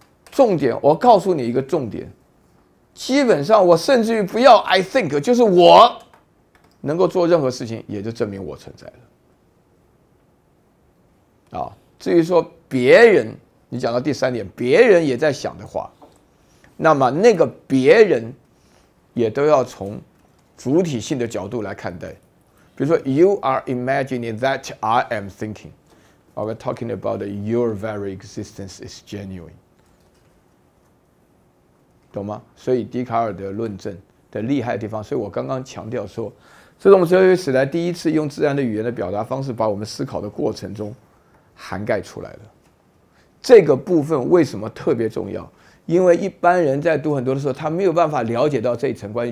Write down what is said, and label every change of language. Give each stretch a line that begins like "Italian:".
Chinese: 重点，我告诉你一个重点。基本上，我甚至于不要
English: I think，
Chinese: 就是我能够做任何事情，也就证明我存在了。至于说别人，你讲到第三点，别人也在想的话，那么那个别人也都要从主体性的角度来看待。比如说
English: ，You are imagining that I am thinking. I'm talking about your very existence is genuine.
Chinese: 懂吗？所以笛卡尔的论证的厉害的地方，所以我刚刚强调说，这是我们哲学史来第一次用自然的语言的表达方式，把我们思考的过程中涵盖出来了。这个部分为什么特别重要？因为一般人在读很多的时候，他没有办法了解到这一层关系。